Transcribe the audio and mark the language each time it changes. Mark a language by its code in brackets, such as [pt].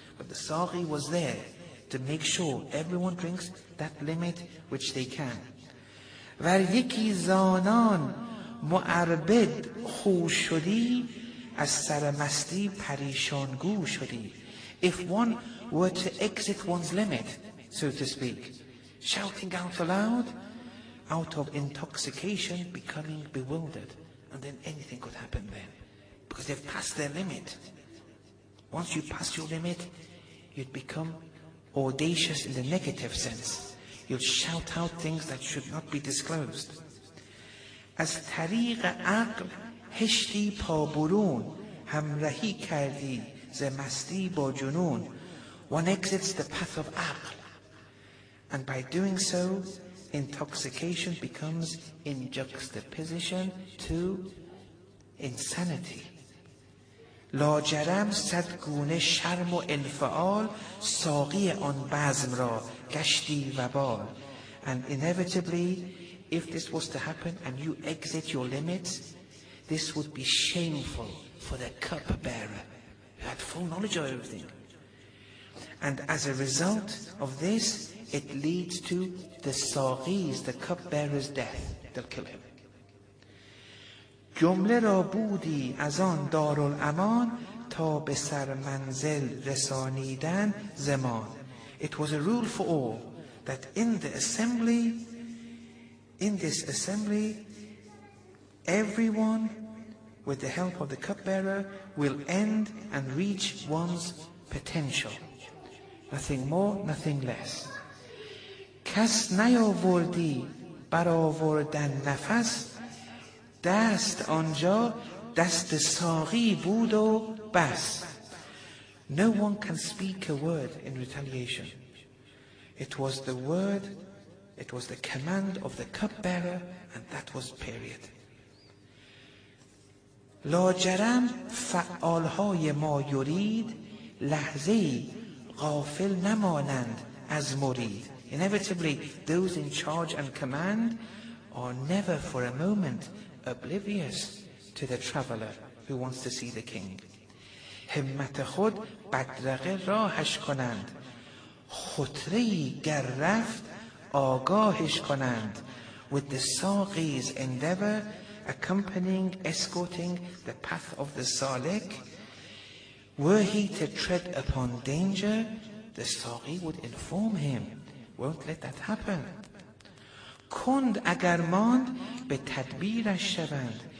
[en] But the ساقی was there to make sure everyone drinks that limit which they can. [fa] ور یکی زانان معربد خو شدی از سر مستی پریشان گو شدی. [en] If one were to exit one's limit, so to speak, shouting out aloud, out of intoxication, becoming bewildered, and then anything could happen then, because they've passed their limit. Once you pass your limit, you'd become audacious in the negative sense. You'll shout out things that should not be disclosed. [fa] از طریق عقل هشتی پا برون همراهی کردی ز مستی با جنون. [en] One exits the path of عقل, and by doing so, intoxication becomes in juxtaposition to insanity. [fa] لاجرم صد گونه شرم و انفعال ساقی آن بزم را گشتی وبال. [en] And inevitably, if this was to happen and you exit your limits, this would be shameful for the cup bearer who had full knowledge of everything. And as a result of this, it leads to the ساقی's, the cupbearer's death. They'll kill him. [fa] جمله را بودی از آن دارالامان تا به سر منزل رسانیدن زمان. [en] It was a rule for all that in this assembly, everyone, with the help of the cupbearer, will end and reach one's potential. Nothing more, nothing less. [fa] کس نیاوردی برآوردن نفس دست آنجا دست ساقی بود و بس. [en] No one can speak a word in retaliation. It was the command of the cupbearer, and that was period. [fa] لاجرم فعالهای ما یرید لحظه غافل نمانند از مرید. [en] Inevitably, those in charge and command are never for a moment oblivious to the traveller who wants to see the king. [fa] همت خود بدرقه راهش کنند خطری گر رفت آگاهش کنند. [en] With the ساقی's endeavour, accompanying, escorting the path of the سالک, Were he to tread upon danger, the ساقی would inform him. Won't let that happen. [fa] کند اگر ماند به تدبیرش شوند.